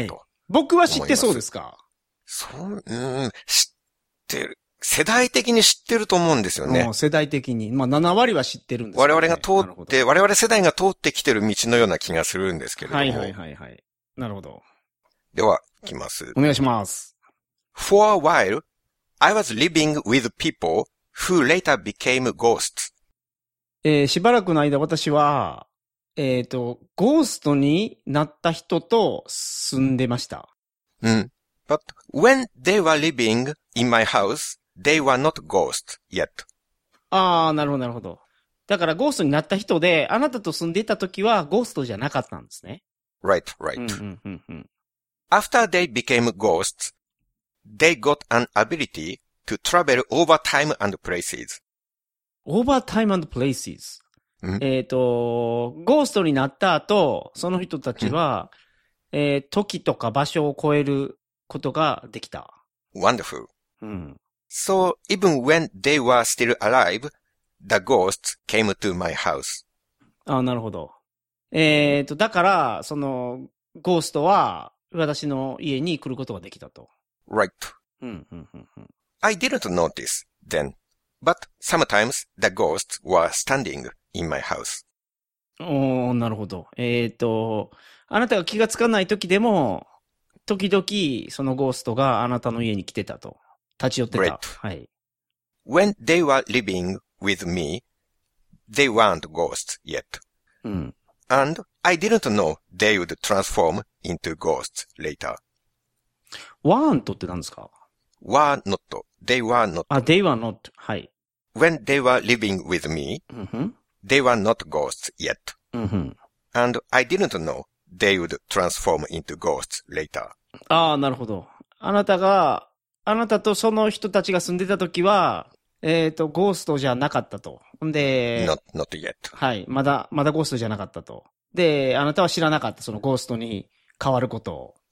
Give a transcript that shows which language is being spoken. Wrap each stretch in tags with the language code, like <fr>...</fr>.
<ja>い。僕は知ってそうですか？そう、知ってる。世代的に知ってると思うんですよね。もう世代的に。まあ、7割は知ってるんですよね。我々が通って、我々世代が通ってきてる道のような気がするんですけれども。はい、はい、はい、はい。なるほど。では、行きます。お願いします。</ja> <en>For a while, I was living with people who later became ghosts.</en> <ja>しばらくの間私は、ゴーストになった人と住んでました。うん。</ja> <en>But when they were living in my house, they were not ghosts yet.</en> <ja>ああ、なるほど、なるほど。だからゴーストになった人で、あなたと住んでいた時はゴーストじゃなかったんですね。</ja> <en>Right, right.</en> <ja>うんうんうんうん。</ja> <en>After they became ghosts,They got an ability to travel over time and places. Over time and places.</en> <ja>ゴーストになった後、その人たちは、時とか場所を超えることができた。</ja> <en>Wonderful.、</en> <ja>うん、</ja> <en>so even when they were still alive, the ghosts came to my house.</en> <ja>あ、なるほど。だから、その、ゴーストは私の家に来ることができたと。</ja> <en>Right. Mm-hmm. I didn't notice then, but sometimes the ghosts were standing in my house.</en> <ja>Oh, なるほど。あなたが気がつかない時でも、時々そのゴーストがあなたの家に来てたと。立ち寄ってた。</ja> <en>Right.</en> <ja>はい。</ja> <en>When they were living with me, they weren't ghosts yet.、 Mm. And I didn't know they would transform into ghosts later.</en> <ja>Weren't って何ですか？</ja> <en>Were not. They were not. あ、they were not. はい。 When they were living with me,、 mm-hmm. they were not ghosts yet.、 Mm-hmm. And I didn't know they would transform into ghosts later.</en> <ja>ああ、なるほど。あなたとその人たちが住んでた時は、ゴーストじゃなかったと。んで、</ja> <en>not yet.</en> <ja>はい。まだゴーストじゃなかったと。で、あなたは知らなかった、そのゴーストに変わることを。</ja>